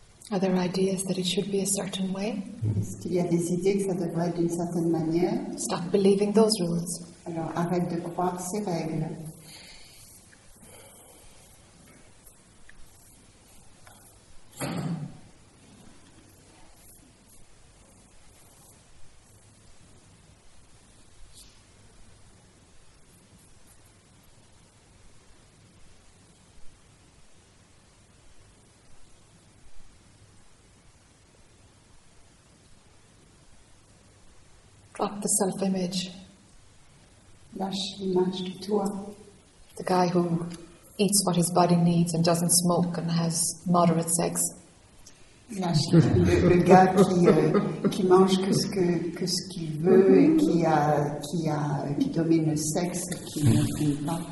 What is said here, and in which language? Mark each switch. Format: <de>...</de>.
<en>Are there ideas that it should be a certain way?</en> <fr>Est-ce qu'il y a des idées que ça devrait être d'une certaine manière?</fr> <en>Stop believing those rules.</en> <fr>Alors, arrête de croire ces règles.</fr> <en>Up the self-image.</en> <fr>Lâche l'image de toi.</fr> <en>The guy who eats what his body needs and doesn't smoke and has moderate sex.</en> <fr>le gars qui mange que ce qu'il veut et qui domine le sexe et qui ne fait pas.</fr>